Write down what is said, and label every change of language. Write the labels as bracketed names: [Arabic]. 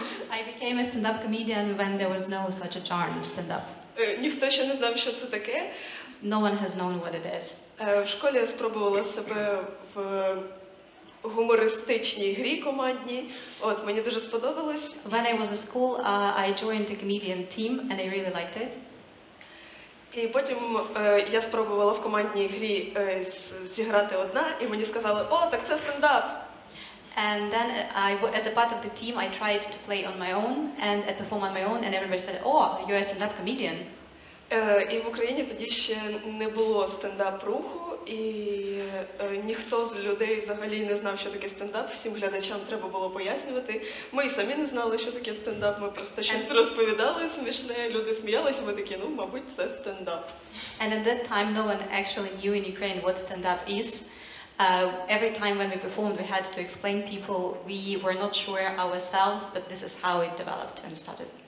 [English] I became a stand-up comedian when there was no such a genre of stand-up. [Ukrainian] Ніхто ще не знав, що це таке. [English] No one has known what it is. [Ukrainian] В школі я спробувала себе в гумористичній грі командній. От, мені дуже сподобалось. [English] When I was in school, I joined the comedian team and I really liked it. [Ukrainian] І потім я спробувала в командній грі зіграти одна, і мені сказали: "О, так це стендап". [English] And then I as a part of the team, I tried to play on my own and perform on my own and everybody said: "О, you're a stand-up comedian". [Ukrainian] І в Україні тоді ще не було стендап-руху, і ніхто з людей взагалі не знав, що таке стендап. Всім глядачам треба було пояснювати. Ми самі не знали, що таке стендап. Ми просто щось розповідали смішне, люди сміялися, ми такі: "Ну, мабуть, це стендап". [English] And at that time no one actually knew in Ukraine what stand-up is. Every time when we performed, we had to explain people, we were not sure ourselves, but this is how it developed and started.